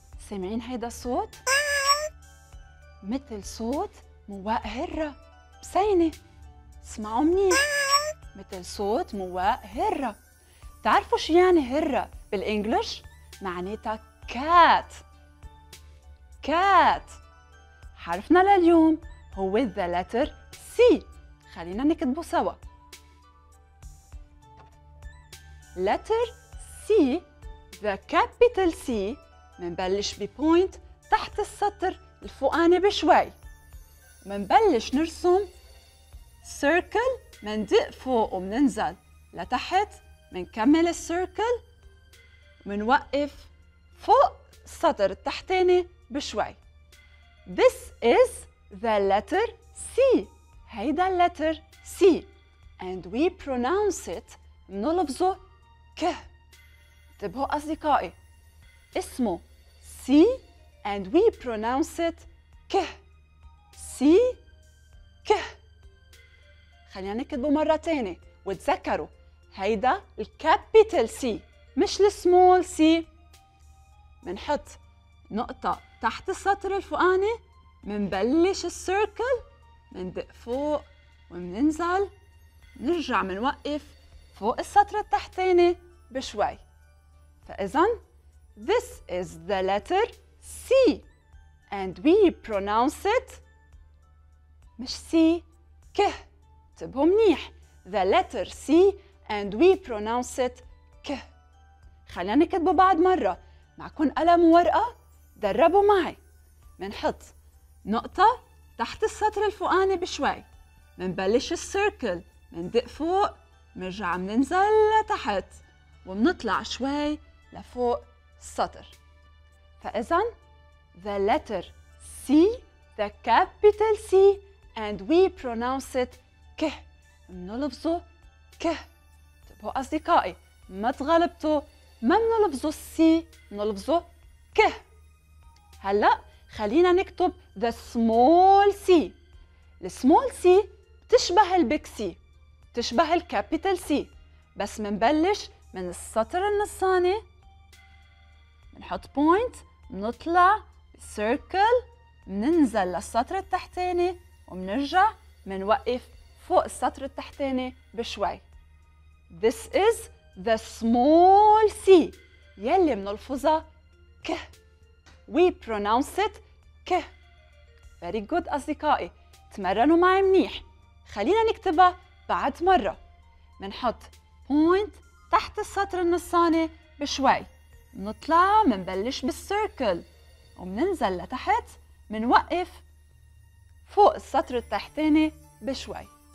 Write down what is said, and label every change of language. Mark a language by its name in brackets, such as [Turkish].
[Arabic] سامعين هيدا الصوت؟ مثل صوت مواء هرة بسينة. اسمعوا منيح، مثل صوت مواء هرة. تعرفوا شو يعني هرة بالإنجليش؟ معناتها cat. [English] cat [Arabic] حرفنا لليوم هو [English] the letter C. [Arabic] خلينا نكتبه سوا. [English] letter C the capital C. [Arabic] منبلش ببوينت تحت السطر الفوقاني بشوي، منبلش نرسم سيركل من دق فوق ومننزل لتحت، منكمل السيركل منوقف فوق السطر التحتاني بشوي. [English] This is the letter C. هيدا letter C and we pronounce it [Arabic] منلفظه ك. انتبهوا أصدقائي، اسمه سي [English] and we pronounce it ك. [Arabic] سي ك. خلينا نكتبه مرة تانية وتذكروا هيدا الكابيتال سي مش السمول سي. منحط نقطة تحت السطر الفوقاني، منبلش السيركل، مندق فوق ومننزل، نرجع منوقف فوق السطر التحتاني بشوي. [English] فإذن this is the letter C and we pronounce it [Arabic] مش سي ك. انتبهوا منيح، [English] the letter C and we pronounce it ك. خلينا نكتبه بعد مرة، معكم قلم وورقة دربوا معي. منحط نقطة تحت السطر الفوقاني بشوي، منبلش السيركل، مندق فوق، منرجع مننزل لتحت ومنطلع شوي لفوق السطر. فإذن the letter C, the capital C, and we pronounce it ك. [Arabic] منلفظه ك. انتبهوا أصدقائي ما تغلبتوا، ما منلفظه C منلفظه ك. هلأ خلينا نكتب [English] the small C. [Arabic] السمول C بتشبه البيك C، بتشبه الكابيتال C، بس منبلش من السطر النصاني، منحط بوينت، منطلع سيركل، مننزل للسطر التحتاني ومنرجع منوقف فوق السطر التحتاني بشوي. [English] This is the small C [Arabic] يلي منلفظها ك. [English] We pronounce it ك. Very good [Arabic] أصدقائي، تمرنوا معي منيح. خلينا نكتبها بعد مرة. منحط point تحت السطر النصاني بشوي، منطلع منبلش بالسيركل ومننزل لتحت، منوقف فوق السطر التحتاني بشوي.